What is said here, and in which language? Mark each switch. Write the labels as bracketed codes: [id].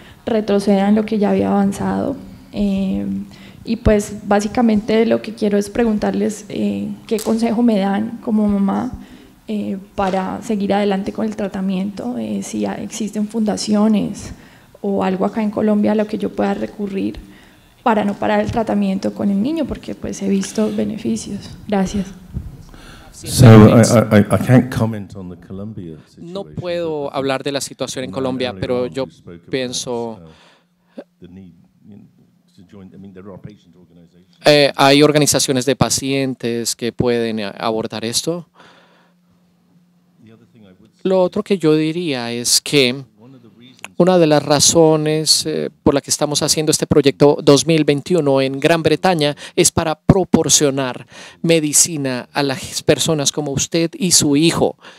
[es] retroceda en lo que ya había avanzado. Y pues básicamente lo que quiero es preguntarles qué consejo me dan como mamá para seguir adelante con el tratamiento, si existen fundaciones o algo acá en Colombia a lo que yo pueda recurrir para no parar el tratamiento con el niño, porque pues he visto beneficios. Gracias. [en] So I can't comment on the Colombia situation. [es] No puedo hablar de la situación en Colombia, pero yo pienso... hay organizaciones de pacientes que pueden abordar esto. Lo otro que yo diría es que una de las razones por la que estamos haciendo este proyecto 2021 en Gran Bretaña es para proporcionar medicina a las personas como usted y su hijo.